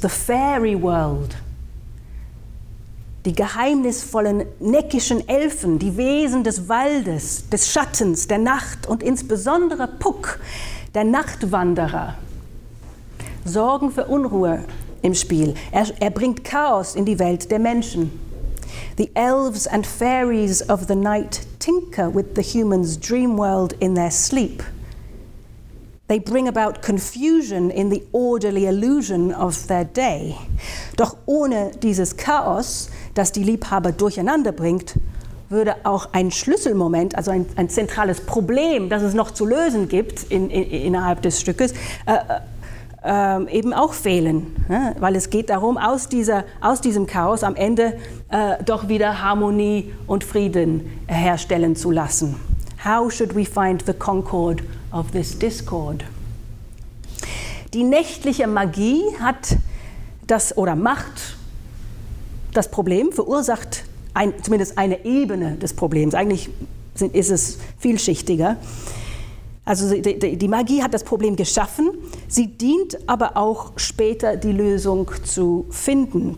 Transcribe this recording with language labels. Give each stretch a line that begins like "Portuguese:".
English: The Fairy World.
German: Die geheimnisvollen, neckischen Elfen, die Wesen des Waldes, des Schattens, der Nacht und insbesondere Puck, der Nachtwanderer, sorgen für Unruhe im Spiel. Er bringt Chaos in die Welt der Menschen.
English: The elves and fairies of the night tinker with the humans' dream world in their sleep. They bring about confusion in the orderly illusion of their day.
German: Doch ohne dieses Chaos, das die Liebhaber durcheinander bringt, würde auch ein Schlüsselmoment, also ein zentrales Problem, das es noch zu lösen gibt innerhalb des Stückes, eben auch fehlen. Ne? Weil es geht darum, aus diesem Chaos am Ende doch wieder Harmonie und Frieden herstellen zu lassen.
English: How should we find the concord of this discord?
German: Die nächtliche Magie hat das oder macht das Problem, verursacht zumindest eine Ebene des Problems. Eigentlich ist es vielschichtiger. Also die Magie hat das Problem geschaffen, sie dient aber auch später die Lösung zu finden.